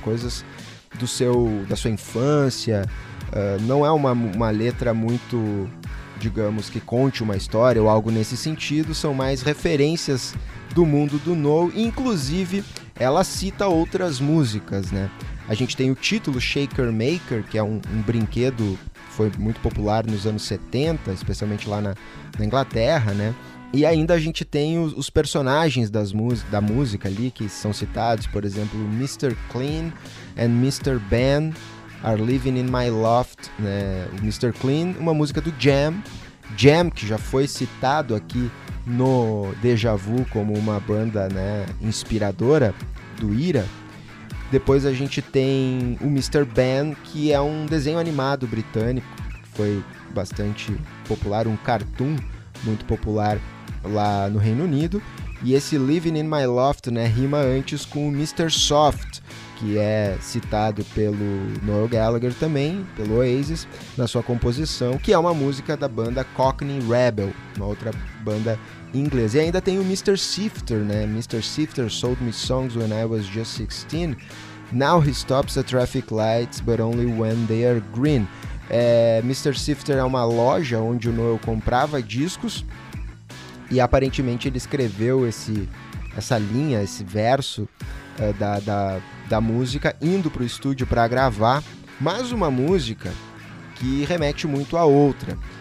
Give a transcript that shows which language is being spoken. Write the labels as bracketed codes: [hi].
[pt] Coisas do seu, da sua infância. Não é uma letra muito, digamos, que conte uma história ou algo nesse sentido, são mais referências do mundo do Noel, inclusive ela cita outras músicas, né? A gente tem o título Shaker Maker, que é um brinquedo, foi muito popular nos anos 70, especialmente lá na Inglaterra, né? E ainda a gente tem os personagens da música ali, que são citados, por exemplo, Mr. [en] Clean and Mr. Ben are living in my loft, né? [pt] O Mr. Clean, uma música do Jam, que já foi citado aqui no Deja Vu como uma banda, né, inspiradora do Ira. Depois a gente tem o Mr. Ben, que é um desenho animado britânico, que foi bastante popular, um cartoon muito popular lá no Reino Unido. E esse Living in My Loft, né, rima antes com o Mr. Soft, que é citado pelo Noel Gallagher também, pelo Oasis, na sua composição, que é uma música da banda Cockney Rebel, uma outra banda inglesa. E ainda tem o Mr. Sifter, né? Mr. [en] Sifter sold me songs when I was just 16. Now he stops the traffic lights, but only when they are green. [pt] É, Mr. Sifter é uma loja onde o Noel comprava discos e aparentemente ele escreveu essa linha, esse verso da música indo para o estúdio para gravar, mas uma música que remete muito a outra.